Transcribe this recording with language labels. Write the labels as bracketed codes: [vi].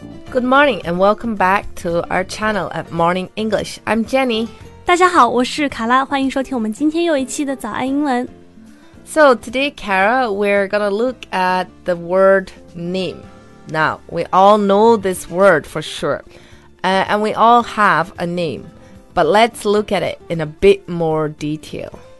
[en] Good morning and welcome back to our channel at Morning English. I'm Jenny. [zh] 大家好，我是卡拉，欢迎收听我们今天又一期的早安英文。 [en] So today, Kara, we're gonna look at the word name. Now, we all know this word for sure, and we all have a name, but let's look at it in a bit more detail.